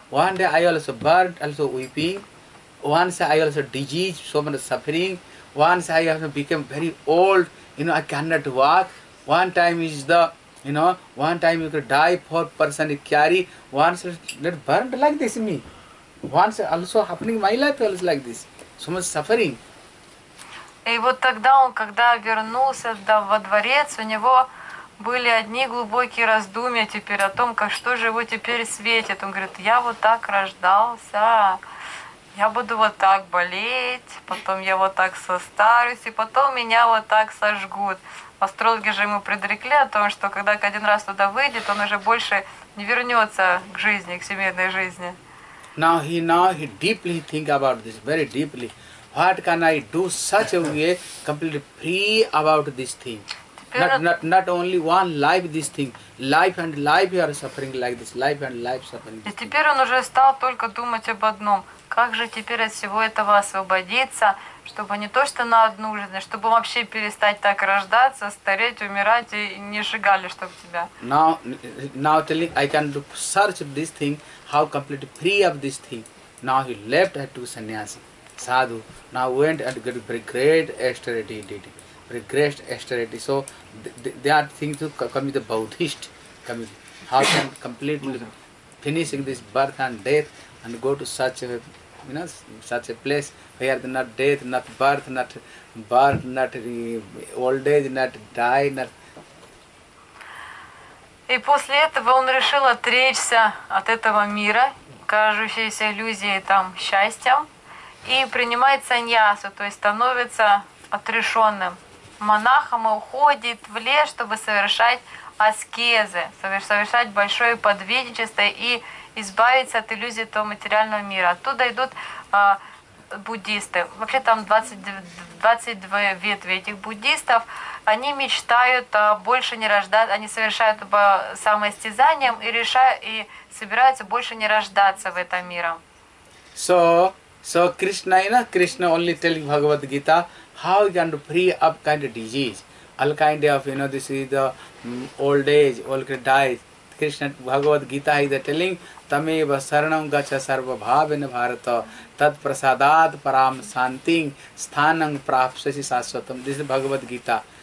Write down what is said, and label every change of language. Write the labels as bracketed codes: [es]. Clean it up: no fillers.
[en] One day I also burnt, also weeping. Once I also diseased, so much suffering. Once I also became very old, you know, I cannot walk. One time is the, you know, one time you could die, poor person you carry. Once it burnt like this in me. Once also happening in my life also like this. So much suffering. [ru] И вот тогда он, когда вернулся во дворец, у него были одни глубокие раздумья теперь о том, как что же его теперь светит. Он говорит, я вот так рождался, я буду вот так болеть, потом я вот так состарюсь, и потом меня вот так сожгут. Астрологи же ему предрекли о том, что когда один раз туда выйдет, он уже больше не вернется к жизни, к семейной жизни. [en] Now he deeply think about this, very deeply. What can I do such a way, completely free about this thing? Not only one life, this thing. Life and life you are suffering like this. Life and life suffering. [ru] И теперь он уже стал только думать об одном. Как же теперь от всего этого освободиться? чтобы не то что на одну жизнь, чтобы вообще перестать так рождаться, стареть, умирать и не сжигали, чтобы тебя. [en] Now telling I can look, search this thing, how completely free of this thing. Now he left at two sannyasi, sadhu. Now went and got very great austerity, very great austerity. So they are thinking to come to Buddhist, come how can completely finishing this birth and death and go to such a, you know, such a place where not death, not birth, not birth, not old age, not die, not. [ru] И после этого он решил отречься от этого мира, кажущейся иллюзией там счастьем, и принимает саньясу, то есть становится отрешенным монахом и уходит в лес, чтобы совершать аскезы, совершать большое подвижничество и избавиться от иллюзии того материального мира. Оттуда идут буддисты. Вообще там 22 ветви этих буддистов. Они мечтают больше не рождаться, они совершают самоистязанием и решают и собираются больше не рождаться в этом мире. [en] So Krishna, you know, Krishna only telling Bhagavad Gita how you can free up kind of disease, all kind of, you know, this is the old age, all kind of dies. Krishna, Bhagavad Gita is telling, [sa] tameva saranam gacha sarva bhavena bharata, tat prasadat param santing sthanam prapsasi sasvatam. [en] This is Bhagavad Gita.